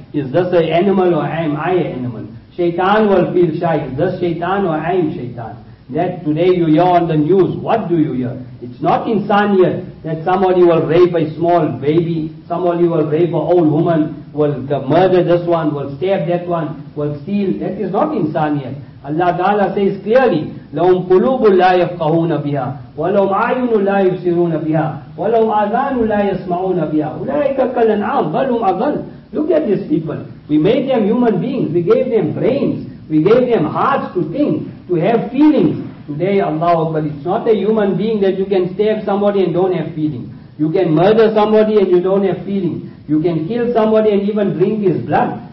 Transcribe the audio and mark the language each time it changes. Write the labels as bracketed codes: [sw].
[en] Is this an animal or am I an animal? Shaitan will feel shy. Is this shaitan or I am shaitan? That today you hear on the news, what do you hear? It's not insaniyat that somebody will rape a small baby, somebody will rape an old woman, will murder this one, will stab that one, will steal. That is not insaniyat. Allah Ta'ala says clearly, [ar] لَهُمْ قُلُوبٌ لَا يَفْقَهُونَ بِهَا وَلَهُمْ عَيُنٌ لَا يُبْصِرُونَ بِهَا وَلَهُمْ آذَانٌ لَا يَسْمَعُونَ بِهَا أُولَٰئِكَ كَالْأَنْعَامِ بَلْ هُمْ أَضَلُّ. [en] Look at these people. We made them human beings. We gave them brains. We gave them hearts to think, to have feelings. Today, Allah Akbar, it's not a human being that you can stab somebody and don't have feeling. You can murder somebody and you don't have feeling. You can kill somebody and even drink his blood.